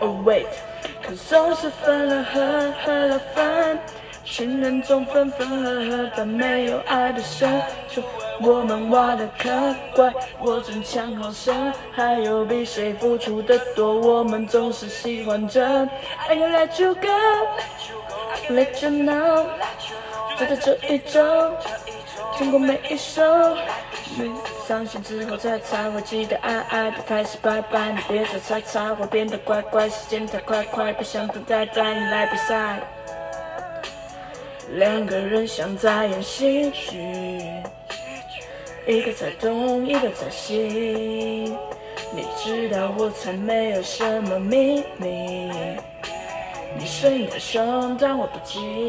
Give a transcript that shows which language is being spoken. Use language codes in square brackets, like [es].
[en] Oh wait， [zh] 可总是分了合合了分，情人总分分合合，但没有爱的深，我们挖的坑，怪我争强好胜，还有比谁付出的多，我们总是喜欢着。 [en] I can let you go, let you know, [zh] 就在这一周，听过每一首。你伤心之后再猜，我记得爱爱的开始，拜拜，你别再猜猜，我变得乖乖，时间太快快，不想等待带你来比赛。两个人像在演戏剧，一个在东，一个在西，你知道我才没有什么秘密，你睡得凶但我不急，